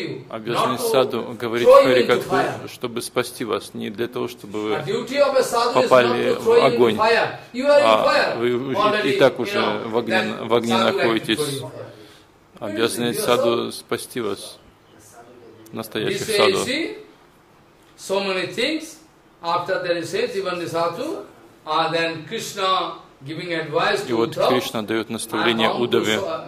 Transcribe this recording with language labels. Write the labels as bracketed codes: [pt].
[ru] Обязанность саду — говорить харикатху, чтобы спасти вас, не для того, чтобы вы попали в огонь, а вы и так уже в огне находитесь. Обязанность саду — спасти вас. настоящих садов. [en] So many things after that he says Jivanisatu, and then Krishna giving advice to [ru] Uddhava. И вот Кришна дает наставление Удаве.